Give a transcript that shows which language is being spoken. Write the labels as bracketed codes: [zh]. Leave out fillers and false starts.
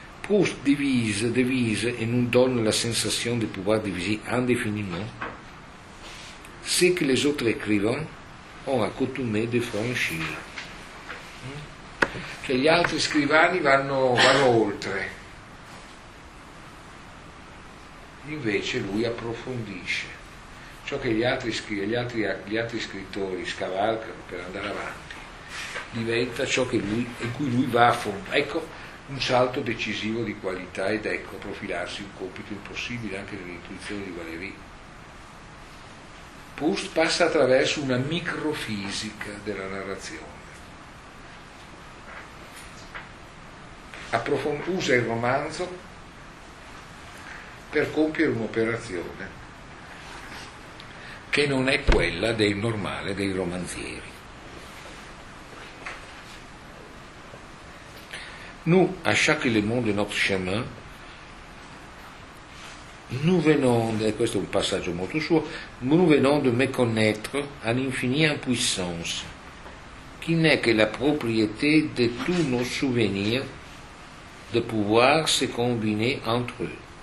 [fr] Pour devise et nous donne la sensation de pouvoir diviser indéfiniment ce que les autres écrivains ont accoutumé de franchir. [it] Cioè, gli altri scrivani vanno oltre. Invece lui approfondisce. Ciò che gli altri scrittori scavalcano per andare avanti diventa ciò che lui, in cui lui va a fondo. Ecco un salto decisivo di qualità, ed ecco profilarsi un compito impossibile anche nell'intuizione di Valéry. Proust passa attraverso una microfisica della narrazione. Usa il romanzo per compiere un'operazione che non è quella del normale dei romanzieri. [fr] Nous, à chaque élément de notre chemin, nous venons, et [it] questo è un passaggio molto suo, [fr] nous venons de méconnaître à l'infinie impuissance, qui n'est que la propriété de tous nos souvenirs de pouvoir se combiner entre eux.